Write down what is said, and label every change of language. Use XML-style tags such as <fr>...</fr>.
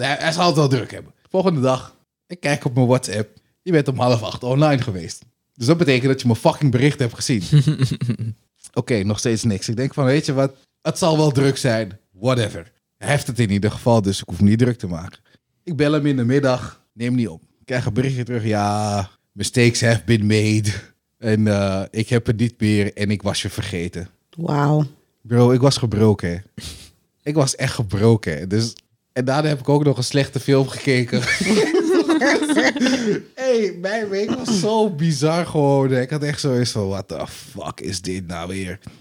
<nl>Hij zal het wel druk hebben. Volgende dag. Ik kijk op mijn WhatsApp. Je bent om 7:30 online geweest. Dus dat betekent dat je mijn fucking bericht hebt gezien. Oké, nog steeds niks. Ik denk van, weet je wat? Het zal wel druk zijn. Whatever. Hij heeft het in ieder geval, dus ik hoef hem niet druk te maken. Ik bel hem in de middag, neem niet op. Ik krijg een berichtje terug.</nl> <en>Ja, mistakes have been made.</en> <nl>En ik heb het niet meer en ik was je vergeten. Wauw. Bro, ik was gebroken. Ik was echt gebroken. Dus, en daarna heb ik ook nog een slechte film gekeken. Hey, mijn week was zo bizar geworden. Ik had echt zoiets van,</nl> <en>what the fuck</en> <nl>is dit nou weer?</nl>